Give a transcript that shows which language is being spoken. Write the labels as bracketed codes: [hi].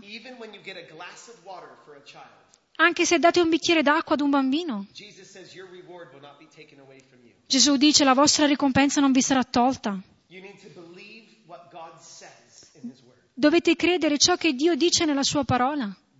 [en] Even when you get a glass of water for a child, [it] anche se date un bicchiere d'acqua ad un bambino. [en] Jesus says your reward will not be taken away from you. [it] Gesù dice la vostra ricompensa non vi sarà tolta. [en] You need to believe what God says in his word. [it] Dovete credere ciò che Dio dice nella sua parola.